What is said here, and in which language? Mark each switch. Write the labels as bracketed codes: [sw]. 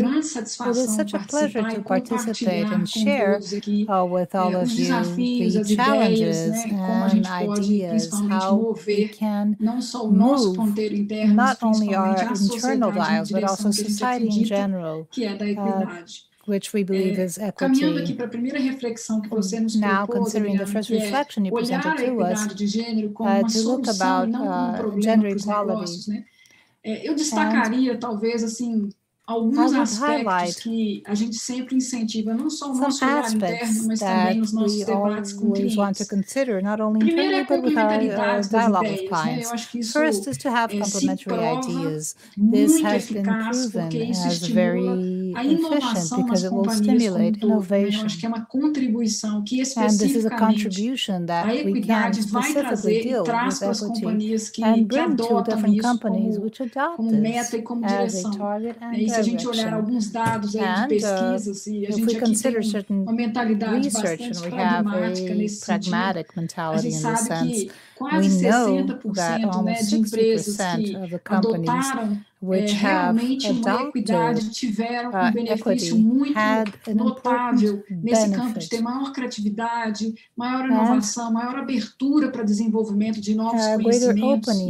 [en] It is such a pleasure to participate and share with all of you the challenges and ideas, how we can move not only our internal lives, but also society in general, which we believe is equity. Now, considering the first reflection you presented to us, to look about gender equality, [pt] eu destacaria, talvez, assim, alguns aspectos que a gente sempre incentiva, não só o nosso olhar interno, mas também nos nossos debates com clientes. [en] Want to consider, not only internally, but with our dialogue with clients. First is to have complementary ideas. This has been proven as very efficient because it will stimulate innovation. [pt] Acho que é uma contribuição que especificamente a equidade vai trazer e traz para as companhias que adotam isso como meta e como direção. E se a gente olhar alguns dados aí de pesquisa, se a gente aqui tem uma mentalidade bastante pragmática nesse sentido, a gente sabe que quase 60% de empresas que adotaram realmente uma equidade tiveram um benefício muito notável nesse campo de ter maior criatividade, maior inovação, maior abertura para desenvolvimento de novos conhecimentos.